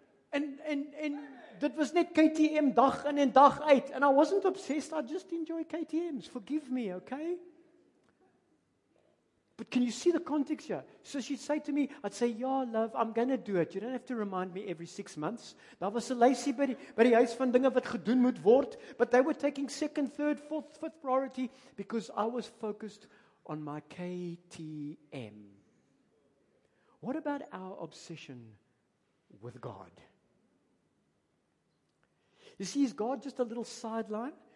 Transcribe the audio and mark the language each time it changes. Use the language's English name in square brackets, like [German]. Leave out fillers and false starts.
[Afrikaans] And dit was net KTM dag in en dag uit. [English] And I wasn't obsessed, I just enjoy KTMs. Forgive me, okay? But can you see the context here? So she'd say to me, I'd say, yeah, love, I'm going to do it. You don't have to remind me every 6 months. [Afrikaans] Daar was 'n lysie by die huis van dinge wat gedoen moet word. [English] But they were taking second, third, fourth, fifth priority because I was focused on my KTM. What about our obsession with God? You see, is God just a little sideline?